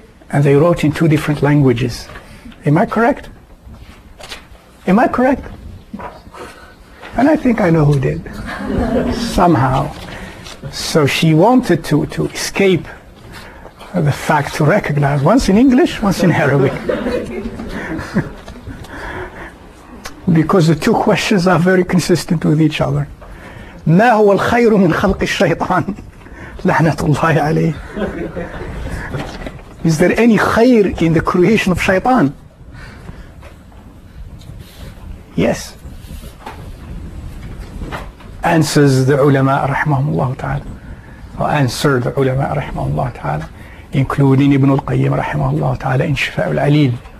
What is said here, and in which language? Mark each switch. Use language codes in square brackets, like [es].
[en] And they wrote in two different languages. Am I correct? And I think I know who did. Somehow. So she wanted to escape the fact to recognize, once in English, once in Arabic. Because the two questions are very consistent with each other. [ar] ما هو الخير من خلق الشيطان؟ لعنة الله عليه. [en] Is there any khair in the creation of shaitan? Yes. Answers the ulama rahimahumullah ta'ala. Or answer the ulama rahimahumullah ta'ala. Including Ibn al-Qayyim rahimahullah ta'ala in Shifa'ul Alil.